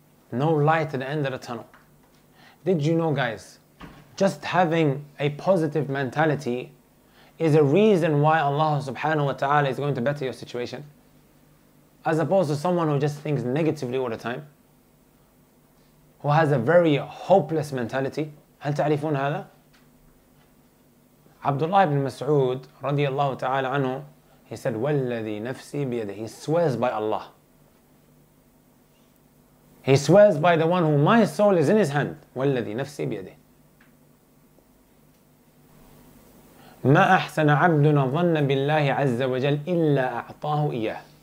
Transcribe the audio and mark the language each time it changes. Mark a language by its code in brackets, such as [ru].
[en] No light at the end of the tunnel. Did you know, guys, just having a positive mentality is a reason why Allah subhanahu wa ta'ala is going to better your situation? As opposed to someone who just thinks negatively all the time, who has a very hopeless mentality. [ar] هل تعرفون هذا؟ عبد الله بن مسعود رضي الله تعالى عنه, [en] he said, [ar] والذي نفسي بيده. [en] He swears by Allah. He swears by the one who my soul is in his hand. [ar] والذي نفسي بيده. ما أحسن عبدنا ظن بالله عز وجل إلا أعطاه إياه.